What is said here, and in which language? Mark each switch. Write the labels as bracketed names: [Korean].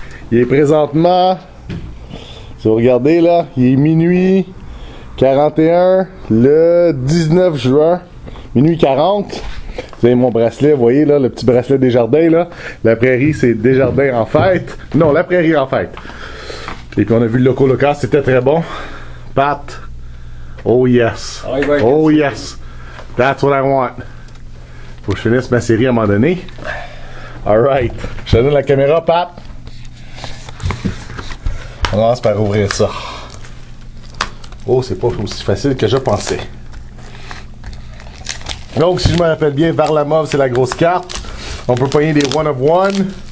[French] Il est présentement, si vous regardez là, il est minuit 41 le 19 juin, minuit 40. Vous avez mon bracelet, vous voyez là, le petit bracelet Desjardins là. La Prairie, c'est Desjardins en fête. Non, La Prairie en fête. Et puis on a vu le Loco Locas, c'était très bon. [English] Pat, oh yes, oh yes, that's what I want. [French] Faut que je finisse ma série à un moment donné. [English] Alright, [French] je te donne la caméra, Pat. On commence par ouvrir ça. Oh, c'est pas aussi facile que je pensais. Donc, si je me rappelle bien, Varlamov, c'est la grosse carte. On peut pogner des [English] one of one.